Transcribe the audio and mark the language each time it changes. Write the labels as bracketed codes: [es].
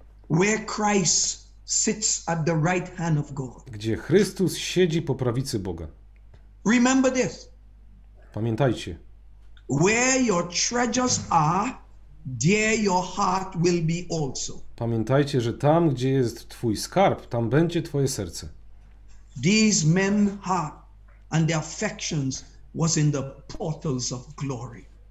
[en] Where Christ sits at the right hand of God. [pl] Gdzie Chrystus siedzi po prawicy Boga. [en] Remember this. [pl] Pamiętajcie. [en] Where your treasures are, there your heart will be also. [pl] Pamiętajcie, że tam, gdzie jest twój skarb, tam będzie twoje serce. [en] These men's heart and their affections was in the portals of glory.